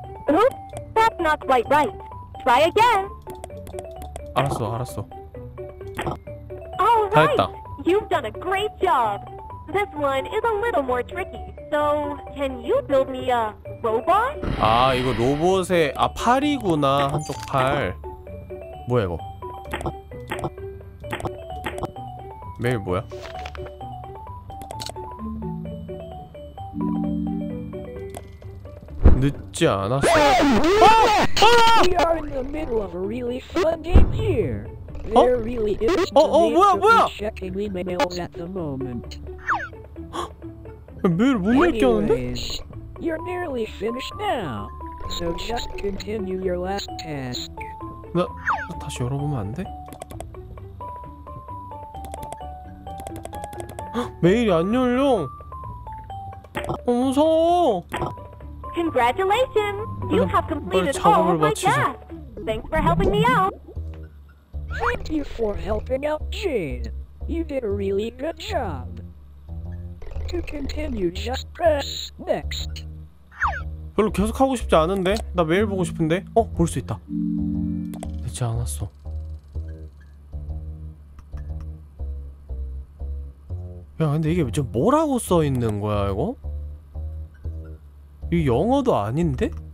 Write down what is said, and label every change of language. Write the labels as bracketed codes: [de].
[en] Oops, that's not quite right. Try again. [ko] 알았어. [en] All right. [ko] 다 했다. [en] You've done a great job. This one is a little more tricky. So, can you build me a robot? [ko] 아, 이거 로봇의 아 팔이구나. 한쪽 팔. 뭐야 이거? 매일 뭐야? 늦지 않았어. 아! 아! [en] We are in the middle of a really fun game here. There really is no need to be checking emails at the moment. [ko] 뭘 모르겠는데? [en] You're nearly finished now. So just continue your last task. [ko] 나 다시 열어보면 안 돼? 메일이 안 열려. 어, 무서워. [en] Congratulations. You have completed all of my tasks. Thanks for helping me out. Thank you for helping out, Jane. You did a really good job. To continue, just press next. [ko] 별로 계속하고 싶지 않은데? 나 메일 보고 싶은데? 어? 볼 수 있다. 늦지 않았어. 야 근데 이게 지금 뭐라고 써있는 거야 이거? 이 영어도 아닌데?